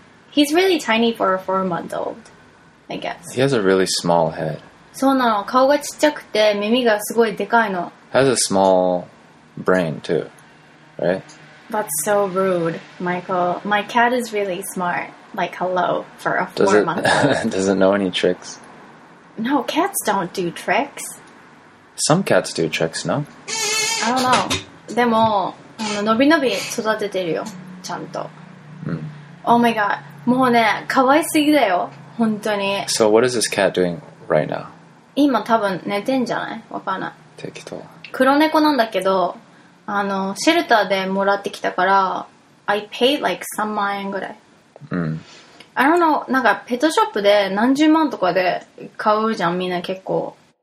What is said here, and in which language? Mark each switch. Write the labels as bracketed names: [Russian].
[English] He's really tiny for a 4 month old, I guess. He has a really small head. [Japanese] そうなの。顔がちっちゃくて、耳がすごいでかいの。 [English] Has a small brain too, right? That's so rude, Michael. My cat is really smart. Like, hello, for a 4 month old. Does it know any tricks? No, cats don't do tricks. Some cats do tricks, no? I don't know. [Japanese] でも、のびのび育ててるよ、ちゃんと。 Mm. [English] Oh my god. [Japanese] もうね、かわいすぎだよ、本当に。 [English] So what is this cat doing right now? [Japanese] 今多分寝てんじゃない？わかんない。適当。黒猫なんだけど、シェルターでもらってきたから、 [English] I paid like [Japanese] 3万円ぐらい。 Mm. [English] I don't know, [Japanese] なんかペットショップで何十万とかで買うじゃん、みんな結構。